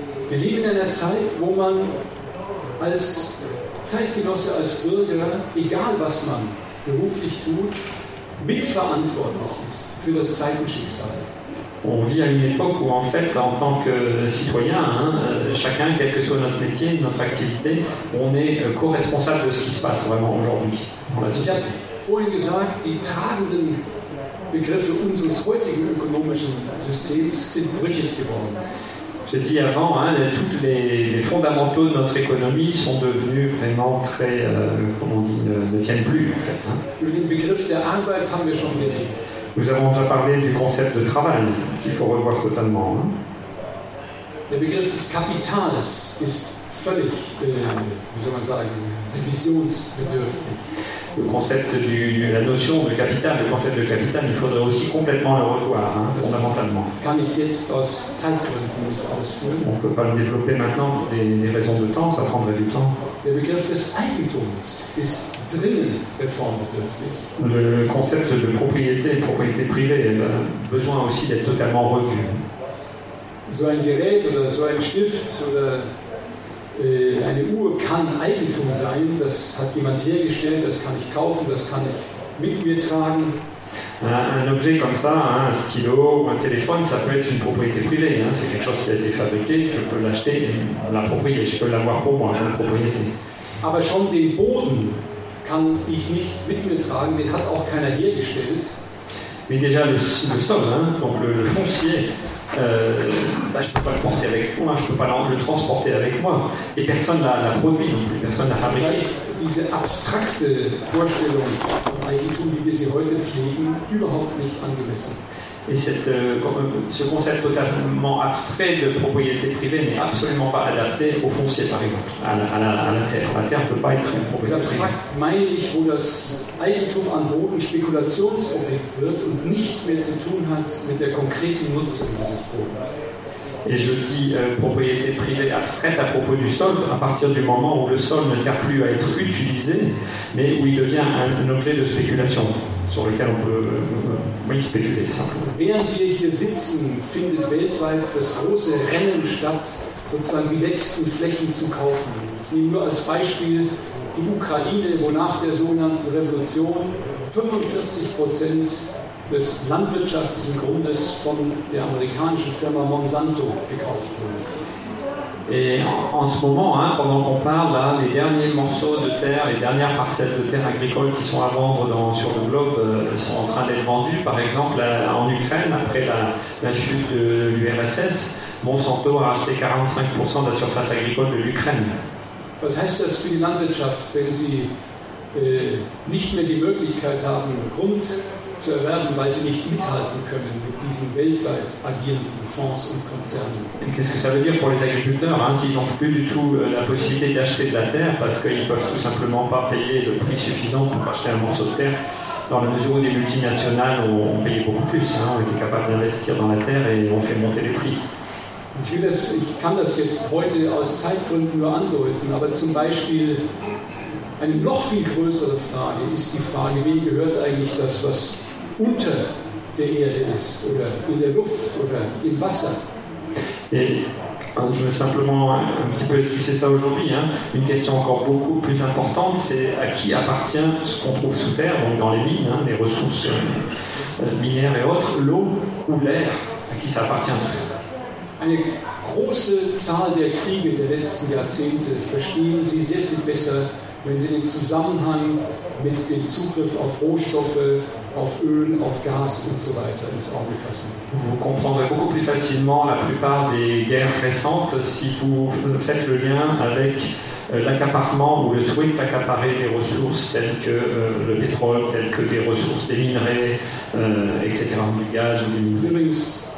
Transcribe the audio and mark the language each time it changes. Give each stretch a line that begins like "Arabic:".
German: Wir leben in einer Zeit, wo man als Zeitgenosse, als Bürger, egal was man beruflich tut, mitverantwortlich ist für das Zeitenschicksal.
French: On vit à une époque où, en fait, en tant que citoyen, hein, chacun, quel que soit notre métier, notre activité, on est co-responsable de ce qui se passe vraiment aujourd'hui dans la société.
German: Vorhin gesagt, die tragenden Begriffe unseres heutigen ökonomischen Systems sind brüchig geworden.
French: J'ai dit avant, hein, tous les fondamentaux de notre économie sont devenus vraiment très, ne tiennent plus, en fait.
German: Mit dem Begriff der Arbeit haben wir schon geredet.
French: Nous avons déjà parlé du concept de travail qu'il faut revoir totalement.
German: Le Begriff des Kapitals ist völlig, wie soll man sagen, revisionsbedürftig.
French: Le concept du, la notion de capital, le concept de capital, il faudrait aussi complètement le revoir, hein, fondamentalement.
German: Kann ich jetzt aus Zeitgründen nicht ausführen.
French: On ne peut pas le développer maintenant pour des raisons de temps, ça prendrait du temps.
German: Le Begriff des Eigentums ist dringend reformbedürftig.
French: Le concept de propriété, propriété privée, a besoin aussi d'être totalement revu.
German: So ein Gerät oder so ein Stift oder eine Uhr kann Eigentum sein, das hat jemand hergestellt, das kann ich kaufen, das kann ich mit mir tragen.
French: Un objet comme ça, un stylo ou un téléphone, ça peut être une propriété privée, hein. C'est quelque chose qui a été fabriqué, je peux l'acheter, l'approprier, je peux l'avoir pour moi, une propriété.
German: Aber schon den Boden kann ich nicht mit mir tragen, den hat auch keiner hergestellt.
French: Mais déjà le sol, hein, donc le foncier, je ne peux pas le porter avec moi, je ne peux pas le transporter avec moi. Et personne ne l'a produit, personne ne l'a fabriqué.
German: Das, diese abstrakte Vorstellung, Eigentum, wie wir sie heute pflegen, überhaupt nicht angemessen.
French: Et ce concept totalement abstrait de propriété privée n'est absolument pas adapté au foncier, par exemple, à la terre. La terre ne peut pas être une propriété privée.
German: Abstrakt meine ich, wo das Eigentum an Boden Spekulationsobjekt wird und nichts mehr zu tun hat mit der konkreten Nutzung dieses Bodens.
French: Et je dis propriété privée abstraite à propos du sol, à partir du moment où le sol ne sert plus à être utilisé, mais où il devient un objet de spéculation. Sur lequel on peut spéculer simplement.
German: Während wir hier sitzen, findet weltweit das große Rennen statt, sozusagen die letzten Flächen zu kaufen. Ich nehme nur als Beispiel die Ukraine, wo nach der sogenannten Revolution 45% des landwirtschaftlichen Grundes von der amerikanischen Firma Monsanto gekauft wurde.
French: Et en ce moment, hein, pendant qu'on parle, hein, les derniers morceaux de terre, les dernières parcelles de terre agricole qui sont à vendre sur le globe sont en train d'être vendues. Par exemple, en Ukraine, après la chute de l'URSS, Monsanto a acheté 45% de la surface agricole de l'Ukraine.
German: Was heißt das für die Landwirtschaft, wenn sie nicht mehr die Möglichkeit haben, Grund zu erwerben, weil sie nicht mithalten können mit diesen weltweit agierenden Fonds und Konzernen.
French: Qu'est-ce que ça veut dire pour les agriculteurs, hein, s'ils n'ont plus du tout la possibilité d'acheter de la terre parce qu'ils ne peuvent tout simplement pas payer le prix suffisant pour acheter un morceau de terre, dans la mesure où les multinationales ont payé beaucoup plus, hein, ont été capables d'investir dans la terre et ont fait monter les prix.
German: Ich kann das jetzt heute aus Zeitgründen nur andeuten, aber zum Beispiel eine noch viel größere Frage ist die Frage, wem gehört eigentlich das, was unter der Erde ist oder in der Luft oder im Wasser?
French: Et je veux simplement un petit peu esquisser ça aujourd'hui. Hein. Une question encore beaucoup plus importante, c'est à qui appartient ce qu'on trouve sous terre, donc dans les mines, hein, les ressources minières et autres, l'eau ou l'air, à qui ça appartient tout ça?
German: Eine große Zahl der Kriege der letzten Jahrzehnte verstehen Sie sehr viel besser, wenn Sie den Zusammenhang mit dem Zugriff auf Rohstoffe, auf Öl, auf Gas und so weiter ins Auge fassen.
French: Vous comprendrez beaucoup plus facilement la plupart des guerres récentes si vous faites le lien avec l'accaparement ou le souhait de s'accaparer des ressources telles que le pétrole, telles que des ressources, des minerais, etc., du gaz ou des minerais.